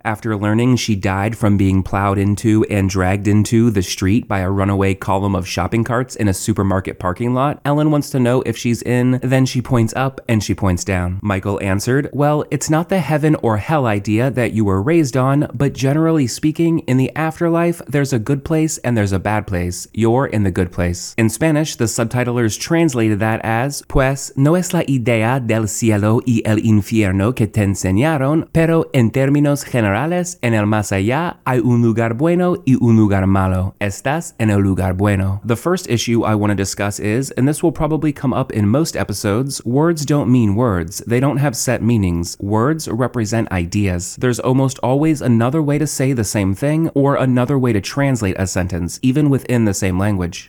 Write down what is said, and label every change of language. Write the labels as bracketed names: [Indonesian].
[English] After learning she died from being plowed into and dragged into the street by a runaway column of shopping carts in a supermarket parking lot, Ellen wants to know if she's in, then she points up and she points down. Michael answered, "Well, it's not the heaven or hell idea that you were raised on, but generally speaking, in the afterlife, there's a good place and there's a bad place. You're in the good place." In Spanish, the subtitlers translated that as, [Spanish] "Pues no es la idea del cielo y el infierno que te enseñaron, pero en términos generales, en el más allá, hay un lugar bueno y un lugar malo. Estás en el lugar bueno." [English] The first issue I want to discuss is, and this will probably come up in most episodes, words don't mean words. They don't have set meanings. Words represent ideas. There's almost always another way to say the same thing or another way to translate a sentence, even within the same language.